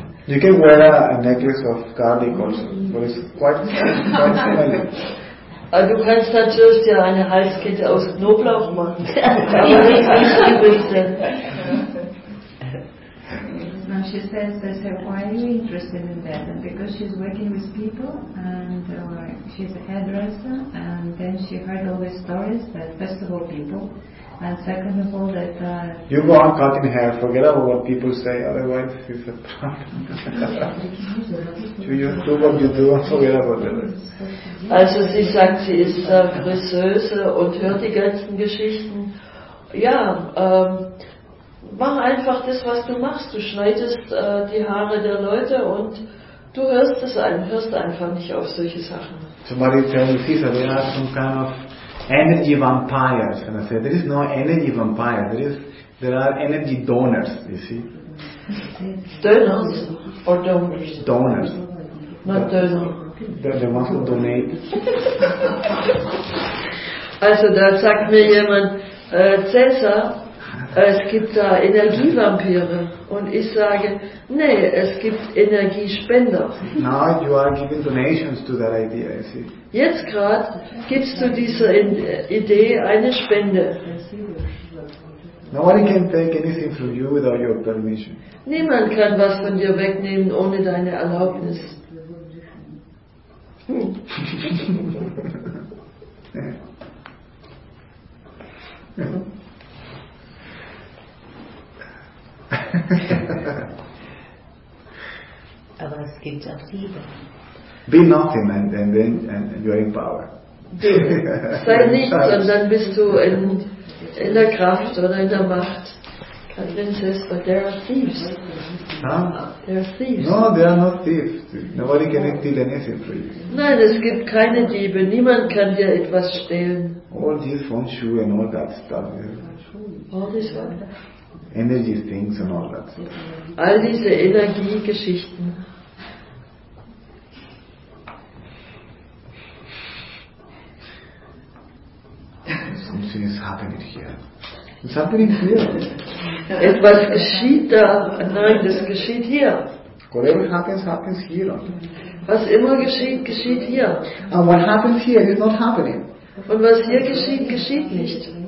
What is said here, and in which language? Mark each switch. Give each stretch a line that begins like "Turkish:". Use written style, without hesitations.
English: You can wear a necklace of garlic also, but it's quite smelly.
German: Du kannst natürlich dir eine Halskette aus Knoblauch machen. Aber nicht die Brüste.
English: Now she says, they say, why are you interested in that? And because she's working with people, and she's a hairdresser, and then she heard all these stories that first of all people, and second of all that... You go on cutting hair, forget about what people say, otherwise it's a problem. You do what you do and forget about it.
German: Also sie sagt, sie ist Friseuse und hört die ganzen Geschichten. Ja, mach einfach das, was du machst. Du schneidest die Haare der Leute und du hörst es an. Hörst einfach nicht auf solche Sachen.
English: Somebody tell me, Caesar, we are some kind of energy vampires. And I said, there is no energy vampire. There are energy donors, you see. Donors or donors? Donors. Not donors. The ones who donate.
German: Also, da sagt mir jemand, Cäsar, es gibt da Energievampire. Und ich sage, nee, es gibt Energiespender.
English: Now you are giving donations to that idea, I see.
German: Jetzt gerade gibst du dieser Idee eine Spende.
English: Nobody can take anything from you without your permission.
German: Niemand kann was von dir wegnehmen ohne deine Erlaubnis. Aber es gibt auch Liebe.
English: Be nothing and then you are in power.
German: Sei nichts und dann bist du in der Kraft oder in der Macht.
English: Catherine says, but there are thieves. No, they are not thieves. Nobody can steal anything from you.
German: Nein, es gibt keine Diebe. Niemand kann dir etwas stehlen.
English: All these feng shui and all that stuff. Yeah. All this what? Energy things and all that stuff.
German: All diese Energiegeschichten.
English: Something is happening here. It's happening here.
German: Etwas geschieht da. Nein, das geschieht hier.
English: Whatever happens, happens here.
German: Was immer geschieht, geschieht hier.
English: And what happens here is not happening.
German: Und was hier geschieht, geschieht nicht.